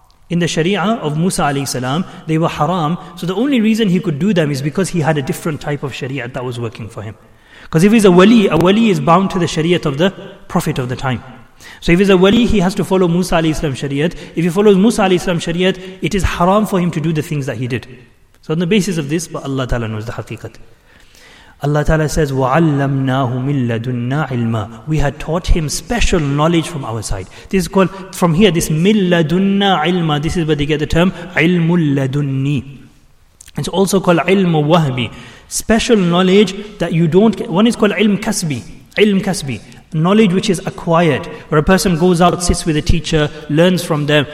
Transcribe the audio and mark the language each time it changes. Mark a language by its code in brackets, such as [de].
[en] In the Sharia of Musa alayhi salam, they were haram. So the only reason he could do them is because he had a different type of Shariat that was working for him. Because if he's a wali is bound to the shariat of the prophet of the time. So if he's a wali, he has to follow Musa alayhi salam shariat. If he follows Musa alayhi salam shariat, it is haram for him to do the things that he did. So on the basis of this, but Allah Ta'ala knows the haqiqat. Allah Ta'ala says, [ar] وَعَلَّمْنَاهُ مِنْ لَدُنَّا عِلْمًا. [en] We had taught him special knowledge from our side. This is called, from here, this [ar] مِنْ لَدُنَّا عِلْمًا. [en] This is where they get the term, عِلْمُ لَدُنِّي. It's also called ilm wahbi, special knowledge that you don't get. One is called ilm kasbi. Ilm kasbi. knowledge which is acquired, where a person goes out, sits with a teacher, learns from them.